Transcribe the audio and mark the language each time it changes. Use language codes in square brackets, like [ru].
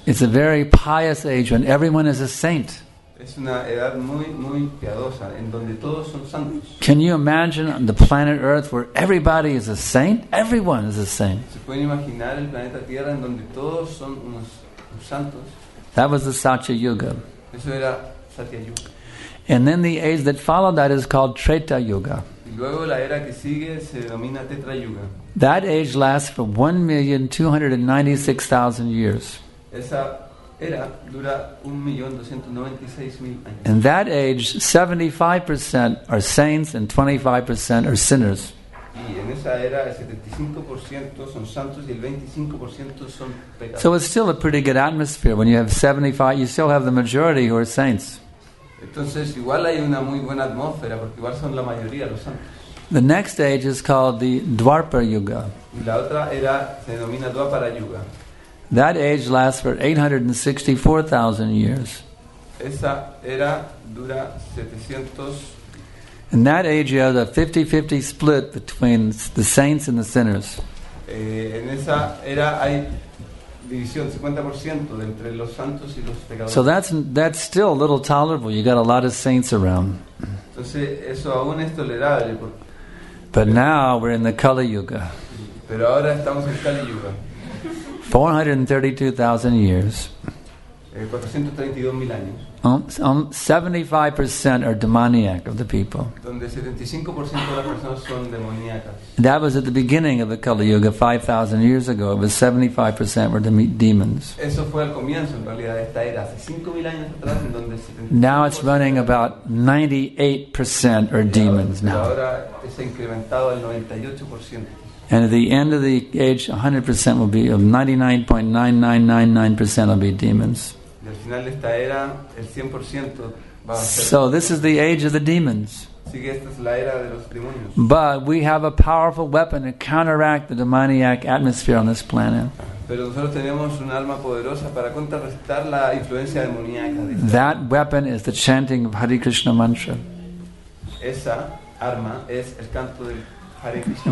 [en] It's a very pious age when everyone is a saint. [es] Es una edad muy, muy piadosa, en donde todos son santos. [en] Can you imagine the planet Earth where everybody is a saint? Everyone is a saint. [es] ¿Se pueden imaginar el planeta Tierra en donde todos son unos santos? [en] That was the Satya Yuga. [es] Eso era Satya Yuga. [en] And then the age that followed that is called Treta Yuga. [es] Y luego la era que sigue se denomina Tetra Yuga. [en] That age lasts for 1,296,000 years. [es] Esa era dura 1,296,000 años. [en] In that age, 75% are saints and 25% are sinners. [es] Y en esa era el 75% son santos y el 25% son pecadores. [en] So it's still a pretty good atmosphere when you have 75, you still have the majority who are saints. [es] Entonces igual hay una muy buena atmósfera porque igual son la mayoría los santos. [en] The next age is called the Dwapara Yuga. [es] Y la otra era, se denomina Dwapara Yuga. [en] That age lasts for 864,000 years. [es] Esa era dura 700. [en] In that age, you have a 50-50 split between the saints and the sinners. [es] En esa era hay división 50% entre los santos y los pecadores. [en] So that's still a little tolerable. You got a lot of saints around. [es] Entonces eso aún es tolerable. [en] But now we're in the Kali Yuga. [es] Pero ahora estamos en Kali Yuga. [en] 432,000 years. [es] 432,000 años. [en] 75% are demoniac of the people. [es] Donde 75% de las personas son demoníacas. [en] That was at the beginning of the Kali Yuga, 5,000 years ago. It was 75% were demons. [es] Eso fue al comienzo, en realidad, de esta era, hace 5,000 años atrás, en donde [en] 75%. Now it's running about 98% are demons now. [es] Ahora es incrementado al 98%. [en] And at the end of the age, 100% will be, 99.9999% will be demons. [es] Y al final de esta era, el 100% va a ser. [en] So this is the age of the demons. [es] Sí, esta es la era de los demonios. [en] But we have a powerful weapon to counteract the demoniac atmosphere on this planet. [es] Pero nosotros tenemos un alma poderosa para contrarrestar la influencia demoníaca. [en] That weapon is the chanting of Hare Krishna mantra. [es] Esa arma es el canto del Hare Krishna.